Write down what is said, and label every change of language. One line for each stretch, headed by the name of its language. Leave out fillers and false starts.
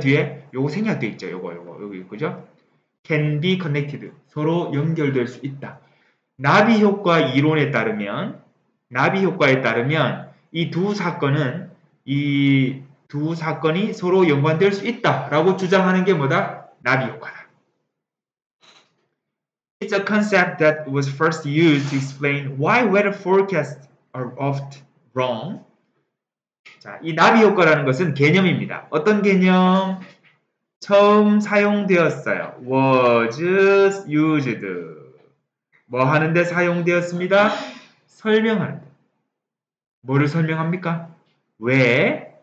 Korean: 뒤에? 요거 생략되어 있죠. 요거, 여기, 그죠?
English: can be connected.
Korean: 서로 연결될 수 있다. 나비 효과 이론에 따르면, 나비 효과에 따르면, 이 두 사건은, 두 사건이 서로 연관될 수 있다 라고 주장하는 게 뭐다? 나비 효과다.
English: It's a concept that was first used to explain why weather forecasts are often wrong.
Korean: 자, 이 나비 효과라는 것은 개념입니다. 어떤 개념? 처음 사용되었어요.
English: Was used.
Korean: 뭐 하는데 사용되었습니다? 설명하는데. 뭐를 설명합니까? 왜?